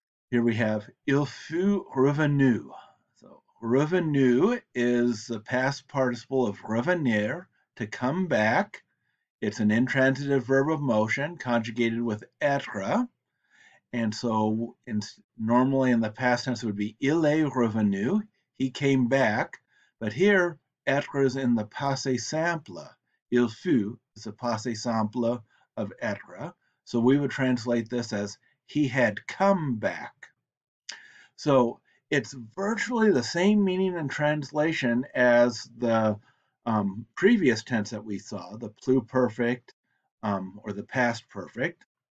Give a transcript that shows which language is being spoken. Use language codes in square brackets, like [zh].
[en] Here we have [fr] il fut revenu. [en] So revenu is the past participle of revenir, to come back. It's an intransitive verb of motion conjugated with être. And so normally in the past tense it would be [fr] il est revenu, [en] he came back, but here être is in the passé simple. [fr] Il fut [en] is a passé simple of être. So we would translate this as he had come back. So it's virtually the same meaning and translation as the previous tense that we saw, the pluperfect or the past perfect.